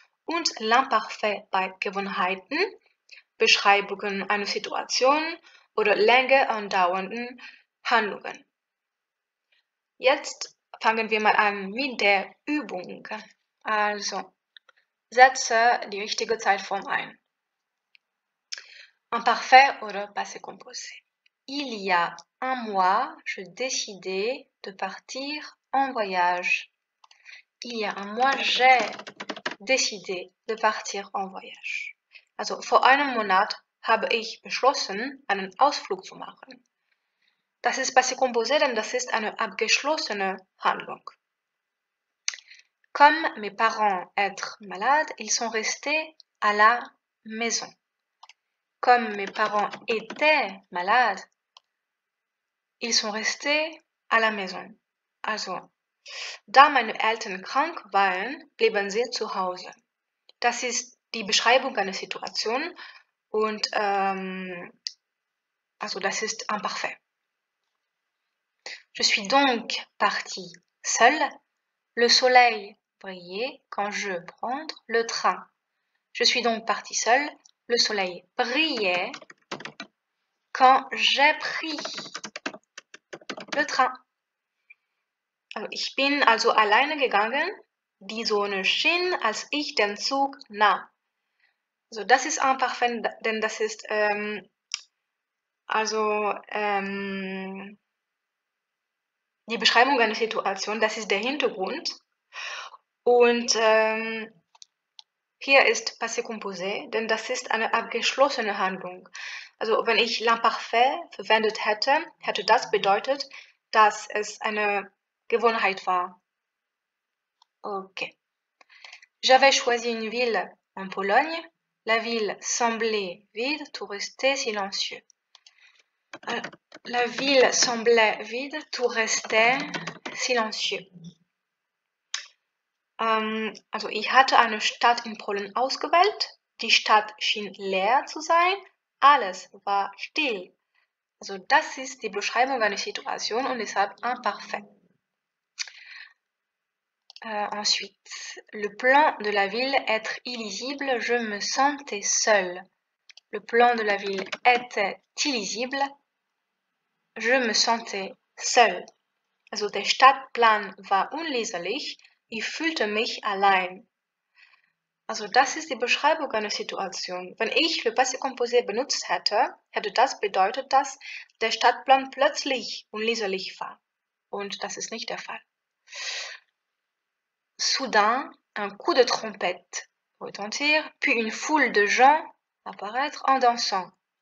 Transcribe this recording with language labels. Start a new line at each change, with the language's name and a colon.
German: Und l'imparfait bei Gewohnheiten, Beschreibungen einer Situation oder länger andauernden Handlungen. Jetzt fangen wir mal an mit der Übung. Also, setze die richtige Zeitform ein.
French: Imparfait oder passé composé. Il y a un mois, je décidais de partir en voyage. Il y a un mois, j'ai décidé de partir en voyage.
German: Also, vor einem Monat habe ich beschlossen, einen Ausflug zu machen. Das ist passé composé, denn das ist eine abgeschlossene Handlung.
French: Comme mes parents étaient malades, ils sont restés à la maison. Comme mes parents étaient malades, ils sont restés à la maison.
German: Also, da meine Eltern krank waren, blieben sie zu Hause. Das ist die Beschreibung einer Situation und also das ist imparfait.
French: Je suis donc partie seule. Le soleil brillait quand je prends le train. Je suis donc partie seule. Le soleil brillait quand j'ai pris le train.
German: Alors, ich bin also alleine gegangen. Die Sonne schien, als ich den Zug nahm. Also, das ist imparfait, denn das ist, die Beschreibung einer Situation, das ist der Hintergrund. Und hier ist passé composé, denn das ist eine abgeschlossene Handlung. Also wenn ich l'imparfait verwendet hätte, hätte das bedeutet, dass es eine Gewohnheit war. Okay.
French: J'avais choisi une ville en Pologne. La ville semblait vide, tout restait silencieux. La ville semblait vide, tout restait silencieux.
German: Also, ich hatte eine Stadt in Polen ausgewählt. Die Stadt schien leer zu sein. Alles war still. Also, das ist die Beschreibung einer Situation und deshalb imparfait.
French: Ensuite, le plan de la ville être illisible, je me sentais seule. Le plan de la ville était illisible. Je me sentais seul.
German: Also, der Stadtplan war unleserlich. Ich fühlte mich allein. Also, das ist die Beschreibung einer Situation. Wenn ich le passé composé benutzt hätte, hätte das bedeutet, dass der Stadtplan plötzlich unleserlich war. Und das ist nicht der Fall.
French: Soudain, un coup de trompette retentir, puis une foule de gens apparaître en dansant.